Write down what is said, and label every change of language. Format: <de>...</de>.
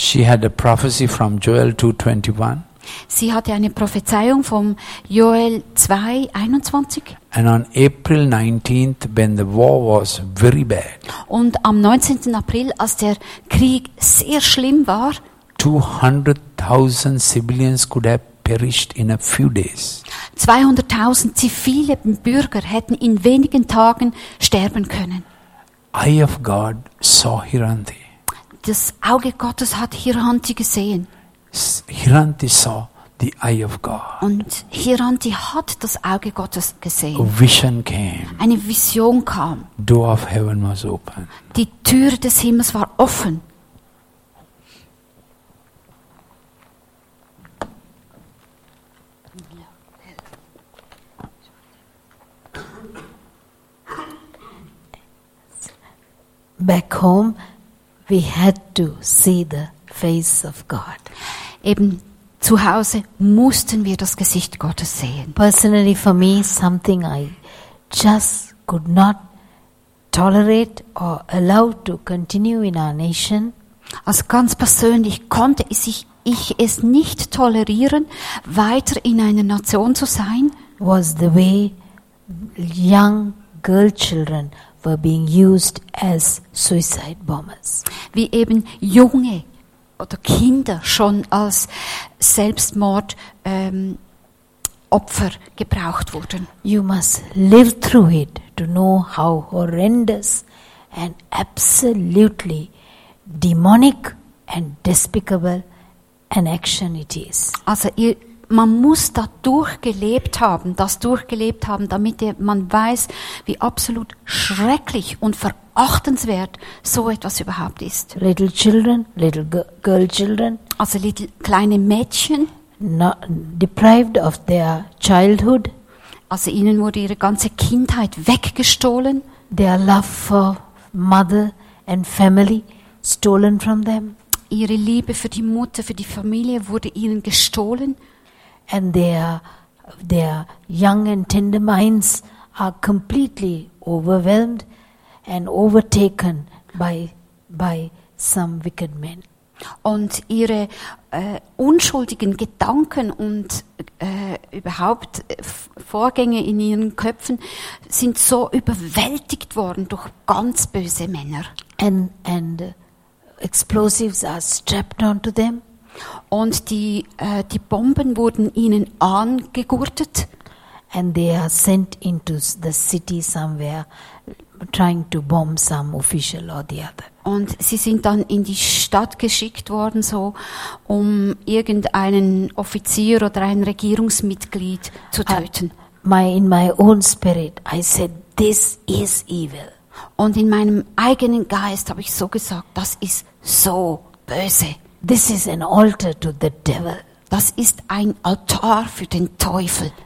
<en>She had a prophecy from Joel 2:21.</en> <de>Sie hatte eine Prophezeiung vom Joel 2:21.</de> <en>And on April 19th, when the war was very bad.</en> <de>Und am 19. April, als der Krieg sehr schlimm war,</de> <en>200,000 civilians could have perished in a few days.</en> <de>200,000 zivile Bürger hätten in wenigen Tagen sterben können.</de> <en>Eye of God saw Hiranti.</en> <de>Das Auge Gottes hat Hiranti gesehen.</de> <en>Hiranti saw the eye of God.</en> <de>Und Hiranti hat das Auge Gottes gesehen.</de> <en>A vision came.</en> <de>Eine Vision kam.</de> <en>Door of heaven was open.</en> <de>Die Tür des Himmels war offen.</de> <en>Back home, we had to see the face of God.</en> <de>Eben zu Hause mussten wir das Gesicht Gottes sehen.</de> <en>Personally for me, something I just could not tolerate or allow to continue in our nation.</en> <de>Also ganz persönlich konnte ich es nicht tolerieren, weiter in einer Nation zu sein.</de> <en>Was the way young girl children were being used as suicide bombers.</en> <de>Wie eben junge oder Kinder schon als Selbstmordopfer gebraucht wurden.</de> <en>You must live through it to know how horrendous and absolutely demonic and despicable an action it is.</en> <de>Also man muss da durchgelebt haben, damit man weiß, wie absolut schrecklich und verachtenswert so etwas überhaupt ist.</de> <en>Little children, little girl children.</en> <de>Also</de> <en>little,</en> <de>kleine Mädchen.</de> <en>Deprived of their childhood.</en> <de>Also ihnen wurde ihre ganze Kindheit weggestohlen.</de> <en>their love for mother and family stolen from them.</en> <de>Ihre Liebe für die Mutter, für die Familie wurde ihnen gestohlen.</de> <en>And their young and tender minds are completely overwhelmed and overtaken by some wicked men.</en> <de>Und ihre unschuldigen Gedanken und überhaupt Vorgänge in ihren Köpfen sind so überwältigt worden durch ganz böse Männer.</de> <en>And explosives are strapped onto them.</en> <de>Und die Bomben wurden ihnen angegurtet.</de> <en>And they are sent into the city somewhere, trying to bomb some official or the other.</en> <de>Und sie sind dann in die Stadt geschickt worden, so um irgendeinen Offizier oder ein Regierungsmitglied zu töten.</de> <en>In my own spirit, I said, this is evil.</en> <de>Und in meinem eigenen Geist habe ich so gesagt, das ist so böse.</de> <en>This is an altar to the devil.</en> <de>Das ist ein Altar für den Teufel.</de>